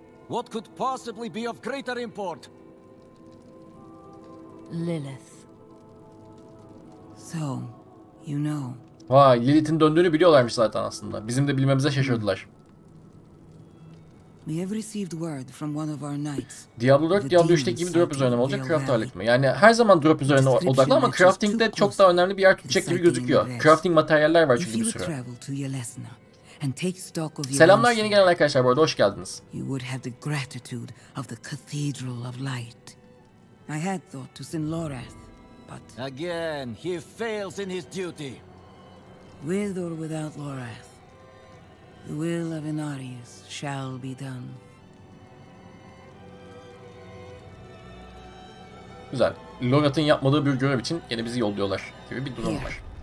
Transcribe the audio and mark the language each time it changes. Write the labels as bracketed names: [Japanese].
[English] What could possibly be of greater import? Lilith. So, you know. [Turkish] Vay, Lilith'in döndüğünü biliyorlarmış zaten aslında. Bizim de bilmemize şaşırdılar. [English] We have received word from one of our knights. [Turkish] Diablo 4, Diablo 3'teki gibi drop üzerine mi olacak, craft ağırlıklı mı? Yani her zaman drop üzerine odaklı ama crafting'de çok daha önemli bir yer tutacak gibi gözüküyor. Crafting materyaller var çünkü bir sürü. Selamlar yeni gelen arkadaşlar, bu arada hoş geldiniz. [English] You would have the gratitude of the Cathedral of Light. I had thought to send Lorath, but again, he fails in his duty. With or without Lorath, the will of Inarius shall be done. [Turkish] Güzel. Lorath'ın yapmadığı bir görev için yine bizi yolluyorlar gibi bir durum var.